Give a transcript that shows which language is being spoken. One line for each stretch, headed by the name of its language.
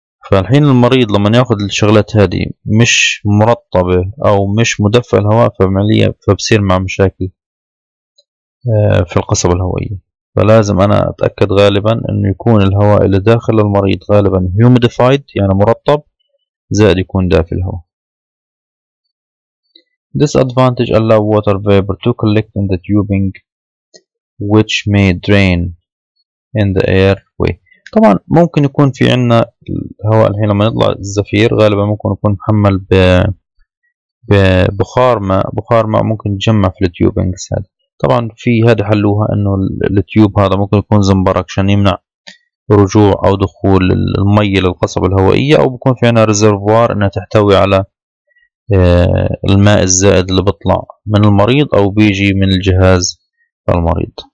Arabic: فالحين المريض لما ياخذ الشغلات هذه مش مرطبه او مش مدفع الهواء، فعمليا فبصير مع مشاكل في القصبه الهوائيه. فلازم انا اتاكد غالبا انه يكون الهواء اللي داخل المريض غالبا هيوميديفايد يعني مرطب، زائد يكون دافي الهواء.
English: This advantage allow water vapor to collect in the tubing which may drain in the airway.
Arabic: طبعا ممكن يكون في عنا الهواء الحين لما نطلع الزفير غالبا ممكن يكون محمل ببخار ماء، بخار ماء ممكن يتجمع في التيوبينجز هذا. طبعا في هذا حلوها انه التيوب هذا ممكن يكون زنبرك عشان يمنع رجوع او دخول المي للقصبة الهوائية، او بيكون في عنا ريزرفوار انها تحتوي على الماء الزائد اللي بيطلع من المريض او بيجي من الجهاز المريض.